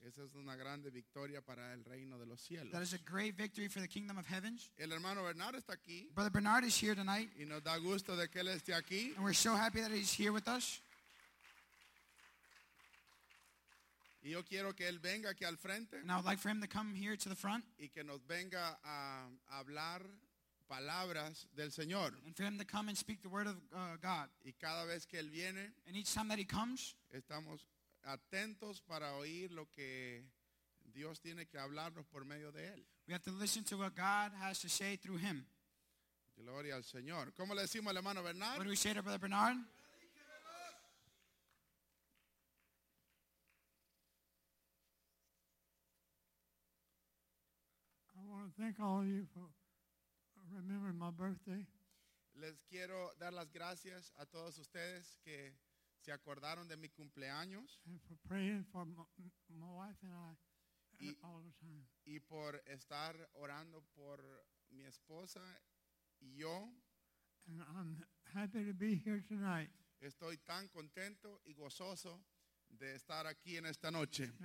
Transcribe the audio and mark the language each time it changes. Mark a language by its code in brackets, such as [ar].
[es] Esa es una grande victoria para el reino de los cielos. [en] That is a great victory for the kingdom of heavens. [es] El hermano Bernardo está aquí. [en] Brother Bernard is here tonight. [es] Y nos da gusto de que él esté aquí. [en] And we're so happy that he's here with us. [es] Y yo quiero que él venga aquí al frente. [en] And I would like for him to come here to the front. [es] Y que nos venga a hablar palabras del Señor. [en] And for him to come and speak the word of God. [es] Y cada vez que él viene, [en] and each time that he comes, [es] estamos atentos para oír lo que Dios tiene que hablarnos por medio de él. [en] We have to listen to what God has to say through him. [es] Gloria al Señor. ¿Cómo le decimos al hermano Bernard? [en] What do we say to Brother Bernard? I want to thank all of you for remembering my birthday. [es] Les quiero dar las gracias a todos ustedes que se acordaron de mi cumpleaños. [en] And for praying for my wife and I all the time. [es] Y por estar orando por mi esposa y yo. [en] And I'm happy to be here tonight. [es] Estoy tan contento y gozoso de estar aquí en esta noche.